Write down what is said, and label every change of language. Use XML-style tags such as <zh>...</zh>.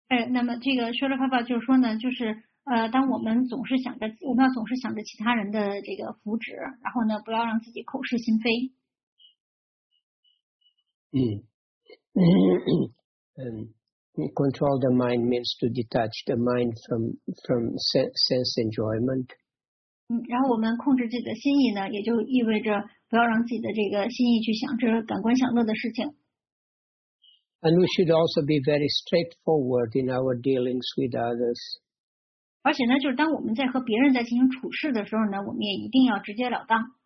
<zh>那么这个 Srila Prabhupada 就说呢，就是当我们总是想着，我们要总是想着其他人的这个福祉，然后呢，不要让自己口是心非。嗯。</zh> <en>control the mind means to detach the mind from sense enjoyment.</en> <zh>然后我们控制自己的心意呢，也就意味着不要让自己的这个心意去想着感官享乐的事情。</zh> <en>And we should also be very straightforward in our dealings with others.</en> <zh>而且呢，就是当我们在和别人在进行处事的时候呢，我们也一定要直截了当。</zh>